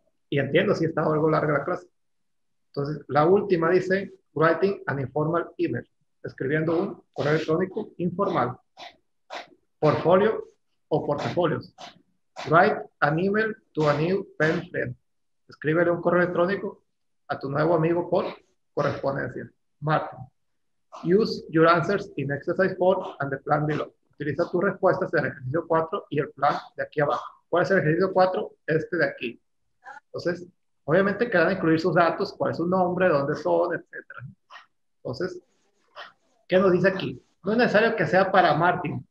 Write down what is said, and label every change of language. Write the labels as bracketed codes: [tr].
[es] Y entiendo si está algo larga la clase. Entonces, la última dice, [en] writing an informal email, [es] escribiendo un correo electrónico informal, portfolio o portafolios. [en] Write an email to a new pen friend. [es] Escríbele un correo electrónico a tu nuevo amigo por correspondencia. Martin. [en] Use your answers in exercise 4 and the plan below. [es] Utiliza tus respuestas en el ejercicio 4 y el plan de aquí abajo. ¿Cuál es el ejercicio 4? Este de aquí. Entonces, obviamente quedan a incluir sus datos, cuál es su nombre, dónde son, etc. Entonces, ¿qué nos dice aquí? No es necesario que sea para Martin.